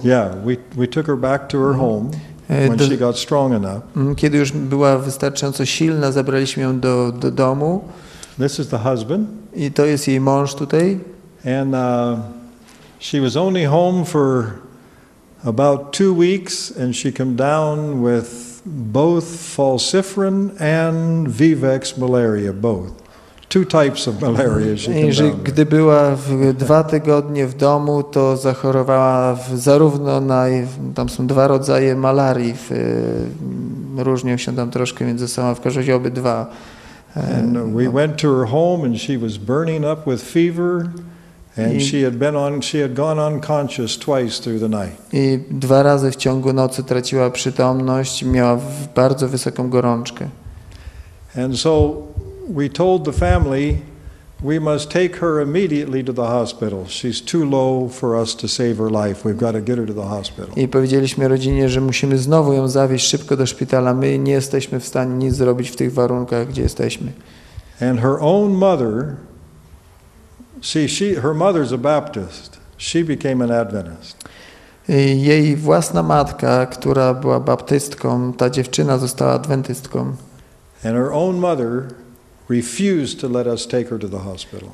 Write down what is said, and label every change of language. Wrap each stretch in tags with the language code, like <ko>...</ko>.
<en>Yeah, we took her back to her home when she got strong enough.</en> <pl>Kiedy już była wystarczająco silna, zabraliśmy ją do domu.</pl> <en>This is the husband.</en> <pl>I to jest jej mąż tutaj.</pl> <en>And she was only home for about 2 weeks, and she came down with both falciferin and vivax malaria, both. 2 types of malaria she came down with.</en> <pl>Gdy była 2 tygodnie w domu, to zachorowała zarówno na, tam są 2 rodzaje malarii, różnią się tam troszkę między sobą, w każdym razie obydwa.</pl> <en>And we went to her home and she was burning up with fever. And she had gone unconscious twice through the night.</en> <pl>I 2 razy w ciągu nocy traciła przytomność, miała bardzo wysoką gorączkę.</pl> <en>And so we told the family we must take her immediately to the hospital. She's too low for us to save her life. We've got to get her to the hospital.</en> <pl>I powiedzieliśmy rodzinie, że musimy znowu ją zawieźć szybko do szpitala. My nie jesteśmy w stanie nic zrobić w tych warunkach, gdzie jesteśmy.</pl> <en>And her own mother. See, her mother's a Baptist. She became an Adventist.</en> <pl>Jej własna matka, która była baptystką, ta dziewczyna została adwentystką.</pl> <en>And her own mother refused to let us take her to the hospital.</en>